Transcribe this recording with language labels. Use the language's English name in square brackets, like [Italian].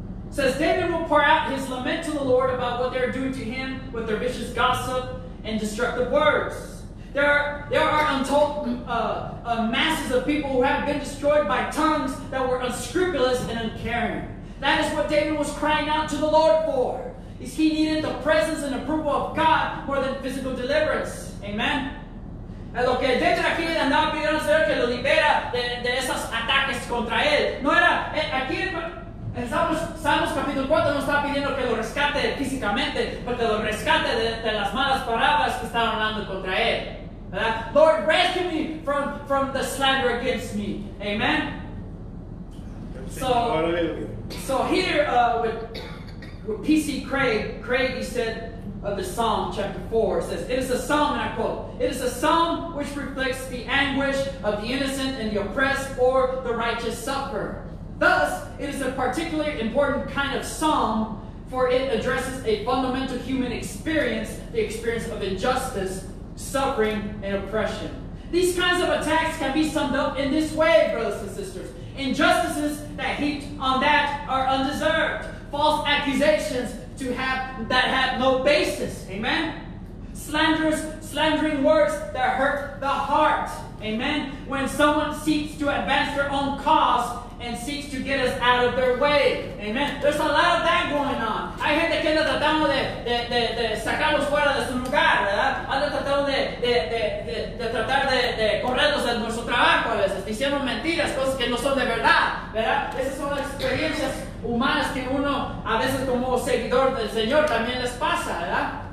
[English] Says David will pour out his lament to the Lord about what they are doing to him with their vicious gossip and destructive words. There are untold masses of people who have been destroyed by tongues that were unscrupulous and uncaring. That is what David was crying out to the Lord for. He needed the presence and approval of God more than physical deliverance. Amen. [Spanish] A lo que David aquí andaba pidiendo al Señor que lo libera de esos ataques contra él. No era aquí. En Salmos capítulo 4 no estaba pidiendo que lo rescate físicamente, pero que lo rescate de las malas palabras que estaban hablando contra él. ¿Verdad? [English] Lord, rescue me from the slander against me. Amen. So here with P.C. Craig, he said of the Psalm chapter 4, says, it is a psalm, and I quote, it is a psalm which reflects the anguish of the innocent and the oppressed or the righteous suffer. Thus, it is a particularly important kind of psalm for it addresses a fundamental human experience, the experience of injustice, suffering, and oppression. These kinds of attacks can be summed up in this way, brothers and sisters. Injustices that heaped on that are undeserved. False accusations that have no basis. Amen? Slandering words that hurt the heart. Amen? When someone seeks to advance their own cause and seeks to get us out of their way. Amen? There's a lot of that going on. [Spanish] Hay gente que anda tratando de sacarlos fuera de su lugar, ¿verdad? Anda tratando de tratar de correrlos de nuestro trabajo a veces, diciendo mentiras, cosas que no son de verdad, ¿verdad? Esas son las experiencias humanas que uno, a veces como seguidor del Señor, también les pasa, ¿verdad?